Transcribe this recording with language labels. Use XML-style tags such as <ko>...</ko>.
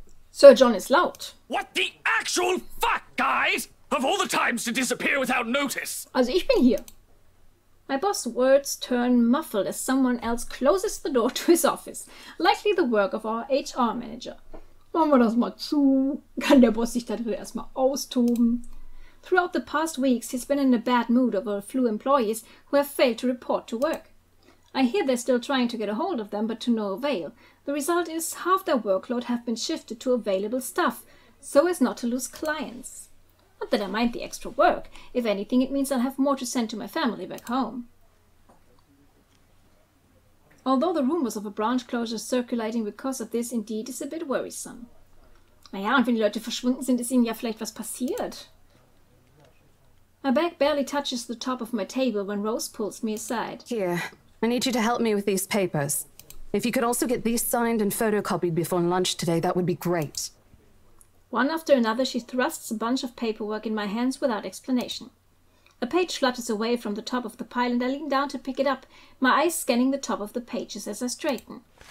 <en>Sir John is loud. What the actual fuck, guys? Of all the times to disappear without notice.</en> <de>Also ich bin hier.</de> <en>My boss' words turn muffled as someone else closes the door to his office, likely the work of our HR manager.</en> <de>Machen wir das mal zu. Kann der Boss sich da drin erstmal austoben?</de> <en>Throughout the past weeks, he's been in a bad mood over a few employees who have failed to report to work. I hear they're still trying to get a hold of them, but to no avail. The result is half their workload have been shifted to available staff, so as not to lose clients. Not that I mind the extra work. If anything, it means I'll have more to send to my family back home. Although the rumors of a branch closure circulating because of this indeed is a bit worrisome.</en> <de>Naja, und wenn die Leute verschwunden sind, ist ihnen ja vielleicht was passiert.</de> <en>My bag barely touches the top of my table when Rose pulls me aside. Here, I need you to help me with these papers. If you could also get these signed and photocopied before lunch today, that would be great. One after another, she thrusts a bunch of paperwork in my hands without explanation. A page flutters away from the top of the pile and I lean down to pick it up, my eyes scanning the top of the pages as I straighten.</en>